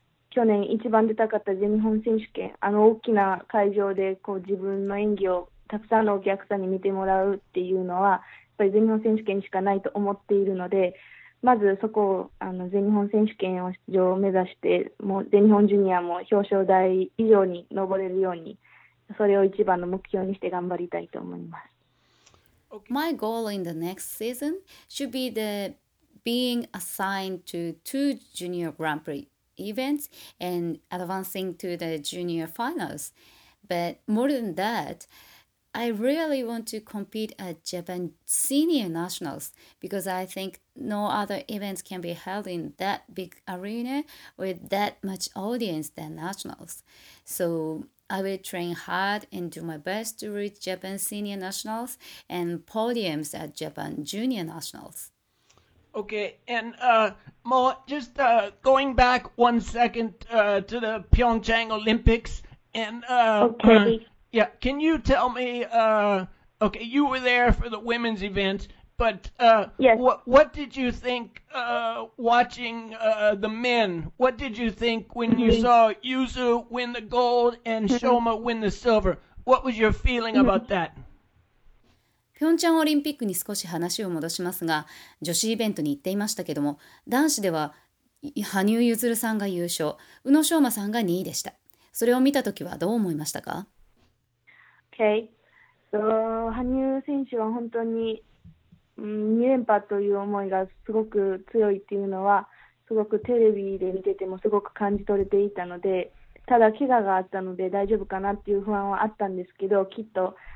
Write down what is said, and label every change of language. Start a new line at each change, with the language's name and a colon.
Japanese: 去年一番出たかった全日本選手権、あの大きな会場でこう自分の演技をたくさんのお客さんに見てもらうっていうのは、やっぱり全日本選手権しかないと思っているので、まずそこをあの全日本選手権を出場を目指して、もう全日本ジュニアも表彰台以上に上れるように、それを一番の目標にして頑張りたいと思います。
English: Okay. My goal in the next season should be the being assigned to 2 junior Grand Prix. Events and advancing to the junior finals. But more than that, I really want to compete at Japan Senior Nationals because I think no other events can be held in that big arena with that much audience than Nationals. So I will train hard and do my best to reach Japan Senior Nationals and podiums at Japan Junior Nationals. Okay, and Moa, just going back 1 second to the Pyeongchang Olympics, and can you tell me, you were there for the women's event, but what did you think watching the men? What did you think when you saw Yuzu win the gold and Shoma win the silver? What was your feeling about that?
Japanese: ピョンチャンオリンピックに少し話を戻しますが、女子イベントに行っていましたけども、男子では羽生結弦さんが優勝、宇野昌磨さんが2位でした。それを見たときはどう思いましたか？
English: Okay.
Japanese: So, 羽生選手は本当に2連覇という思いがすごく強いっていうのは、すごくテレビで見ててもすごく感じ取れていたので、ただ怪我があったので大丈夫かなっていう不安はあったんですけど、きっと